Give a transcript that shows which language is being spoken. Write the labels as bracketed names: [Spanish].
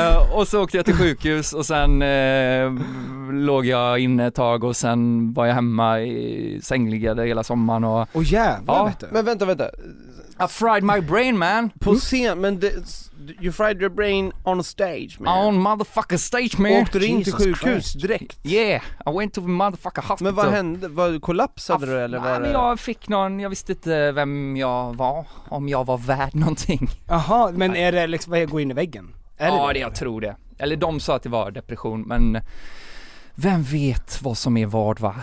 [Swedish] Och så åkte jag till sjukhus och sen låg jag inne ett tag och sen var jag hemma i sängliggade hela sommaren. Och jävlar, vet du. Men vänta. [English] I fried my brain, man. [Swedish] På scen, men [English] you fried your brain on a stage, man. On motherfucker stage, man. [Swedish] Åkte du in till sjukhus direkt? [English] Yeah, I went to the motherfucker hospital. [Swedish] Men vad hände? Kollapsade du eller var det? Nej, men jag fick någon, jag visste inte vem jag var, om jag var värd någonting. Jaha, men är det liksom, vad, jag går in i väggen? Jag tror det. Eller de sa att det var depression, men... Vem vet vad som är vad, va?